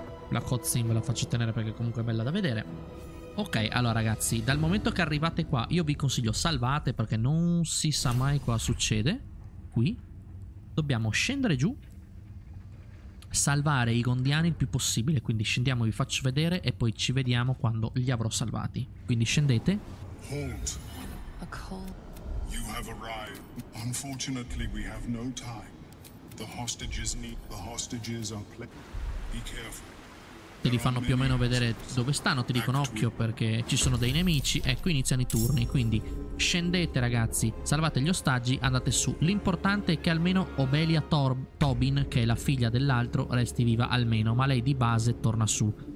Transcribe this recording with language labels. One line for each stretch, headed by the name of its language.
Italian: La cutscene ve la faccio tenere perché comunque è bella da vedere. Ok, allora ragazzi, dal momento che arrivate qua, io vi consiglio salvate, perché non si sa mai cosa succede. Qui dobbiamo scendere giù, salvare i gondiani il più possibile. Quindi scendiamo, vi faccio vedere e poi ci vediamo quando li avrò salvati. Quindi scendete.
English: Halt. A call. You have arrived. Unfortunately we have no time. The hostages are be careful.
Italian: Te li fanno più o meno vedere dove stanno, ti dicono occhio perché ci sono dei nemici. Ecco, iniziano i turni, quindi scendete ragazzi, salvate gli ostaggi, andate su. L'importante è che almeno Obelia Tobin, che è la figlia dell'altro, resti viva almeno, ma lei di base torna su.